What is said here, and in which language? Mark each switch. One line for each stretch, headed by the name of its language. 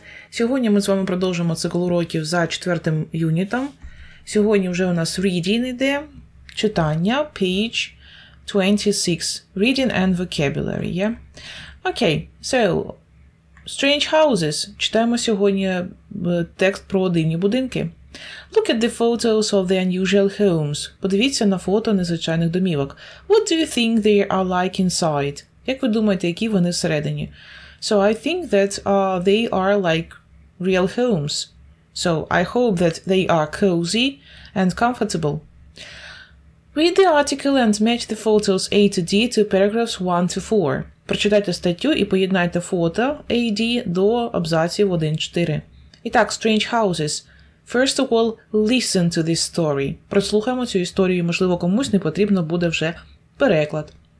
Ukrainian: Сьогодні ми з вами продовжимо цикл уроків за четвертим юнітом. Сьогодні вже у нас reading іде, читання,
English: page 26, reading and vocabulary, yeah? Okay, so, strange houses.
Ukrainian: Читаємо сьогодні текст про дивні будинки.
English: Look at the photos of the unusual homes.
Ukrainian: Подивіться на фото незвичайних домівок.
English: What do you think they are like inside?
Ukrainian: Як ви думаєте, які вони всередині?
English: So I think that they are like real homes. So I hope that they are cozy and comfortable. Read the article and match the photos A to D to paragraphs 1 to 4.
Ukrainian: Прочитайте статтю і поєднайте фото A D до абзаців 1-4.
Russian: Итак,
English: strange houses. First of all, listen to this story.
Ukrainian: Прослухаємо цю історію, можливо, комусь не потрібно буде вже переклад.